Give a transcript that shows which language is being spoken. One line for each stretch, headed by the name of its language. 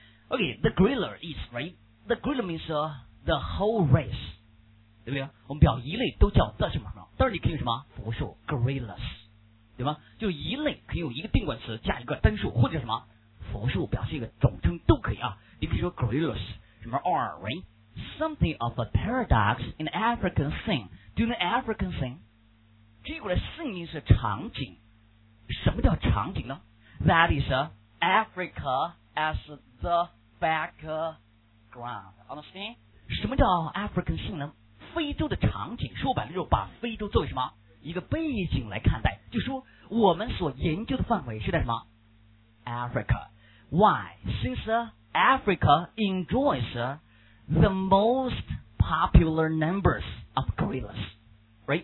English: Okay, the gorilla is right. The gorilla means the whole race.
Chinese: 对不对？我们表一类都叫的什么？当然你可以用什么复数 gorillas， 对吗？就一类可以用一个定冠词加一个单数或者什么复数表示一个总称都可以啊。你可以说
English: gorillas
Chinese: 什么
English: are right something of a paradox in the African scene during the African scene。
Chinese: 这个 scene 是场景，什么叫场景呢？
English: That is Africa as the background， understand？
Chinese: 什么叫 African scene 呢？非洲的场景，说白了就是把非洲作为什么一个背景来看待，就说我们所研究的范围是在什么 Africa。
English: Why? Since Africa enjoys the most popular numbers of gorillas, right?